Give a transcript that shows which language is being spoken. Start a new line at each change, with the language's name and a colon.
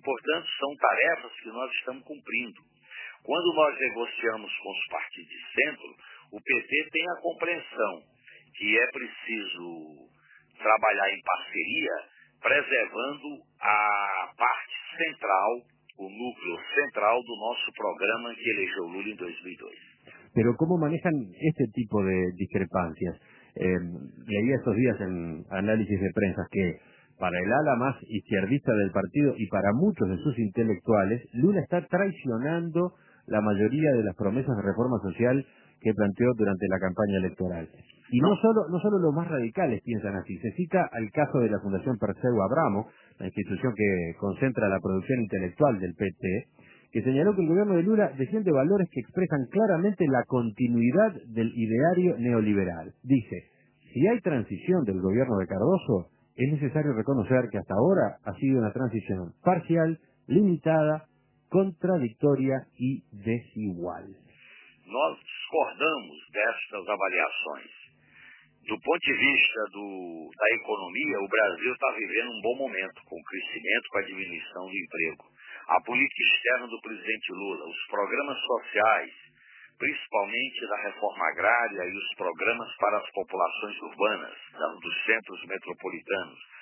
Portuguese: Portanto, são tarefas que nós estamos cumprindo. Quando nós negociamos com os partidos de centro, o PT tem a compreensão que é preciso trabalhar em parceria, preservando a parte central, o núcleo central do nosso programa que elegeu Lula em 2002.
Spanish: Pero ¿cómo manejan este tipo de discrepancias? Leí estos días en análisis de prensa que para el ala más izquierdista del partido y para muchos de sus intelectuales, Lula está traicionando la mayoría de las promesas de reforma social que planteó durante la campaña electoral. Y no solo los más radicales piensan así. Se cita al caso de la Fundación Perseu Abramo, la institución que concentra la producción intelectual del PT, que señaló que el gobierno de Lula defiende valores que expresan claramente la continuidad del ideario neoliberal. Dice, si hay transición del gobierno de Cardoso, es necesario reconocer que hasta ahora ha sido una transición parcial, limitada, contradictoria y desigual.
Portuguese: Nós discordamos destas avaliações. Do ponto de vista da economia, o Brasil está vivendo um bom momento, com crescimento, com a diminuição do emprego. A política externa do presidente Lula, os programas sociais, principalmente da reforma agrária e os programas para as populações urbanas, dos centros metropolitanos.